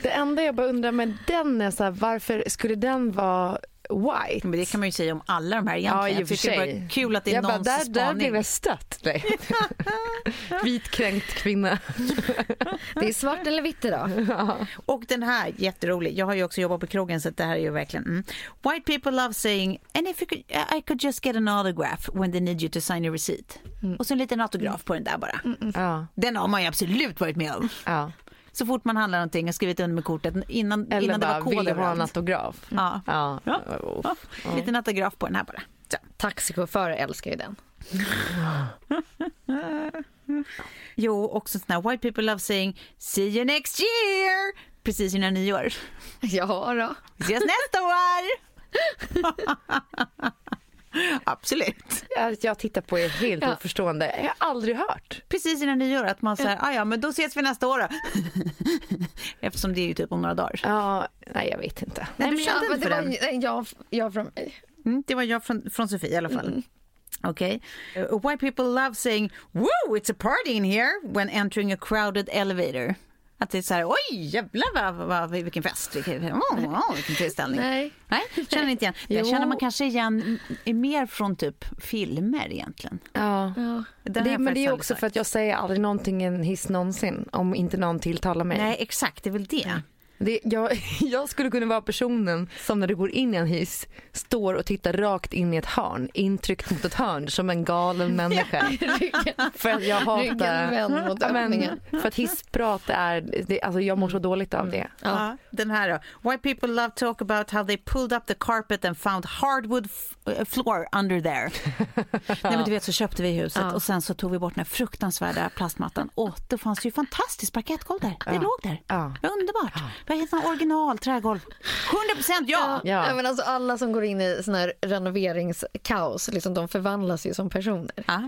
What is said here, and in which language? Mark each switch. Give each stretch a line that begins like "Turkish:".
Swedish: Det enda jag bara undrar med den är så här, varför skulle den vara white? Men det kan man ju säga om alla de här egentligen. Ja, i och för sig. Det är bara kul att det är någons spaning. Där blev jag stött. Vitkränkt kvinna. Det är svart eller vitt idag. Och den här, jätterolig. Jag har ju också jobbat på krogen så det här är ju verkligen...
English: White people love saying, and if you could, I could just get an autograph when they need you to sign a receipt. Mm.
Swedish: Och så en liten autograf på den där bara. Den har man ju absolut varit med om. Ja. Så fort man handlar någonting och skrivit under med kortet innan det var kod. Eller bara, vill du ha en autograf? Lite autograf på den här bara. Ja. Taxichaufförer älskar ju den. Jo, också sådana här
English: white people love saying see you next year!
Swedish: Precis innan nyår. Ja då. Vi ses nästa år! Absolut. Jag tittar på er helt oförstående. Jag har aldrig hört. Precis innan ni gör att man säger, ja, men då ses vi nästa år. Eftersom det är ju typ om några dagar. Ja, nej, jag vet inte. Nej, men jag, det den. Var jag från mig. Mm, det var jag från Sofie i alla fall. Mm. Okej. Okay.
English: White people love saying, woo, it's a party in here when entering a crowded elevator.
Swedish: Att det är så här, oj, jävlar, vilken fest. Vilken tillställning. Nej, känner inte igen. Det känner man kanske igen mer från typ filmer egentligen. Ja. Men det är också sagt. För att jag säger aldrig någonting en hiss någonsin om inte någon tilltalar mig. Nej, exakt, det är väl det. Jag skulle kunna vara personen som när du går in i en hiss står och tittar rakt in i ett hörn, intryckt mot ett hörn som en galen människa. Ja, för att jag hatar för att hissprat är det, alltså jag mår så dåligt av det. Den här då.
English: White people love to talk about how they pulled up the carpet and found hardwood floor under there.
Swedish: Nej, men du vet, så köpte vi huset och sen så tog vi bort den här fruktansvärda plastmattan och då fanns det ju fantastiskt parkettgolv där. Det låg där. Ja. Underbart. Vad heter det? Original trägolv. 100% ja! Ja, men alltså alla som går in i sån här renoveringskaos, liksom, de förvandlas ju som personer.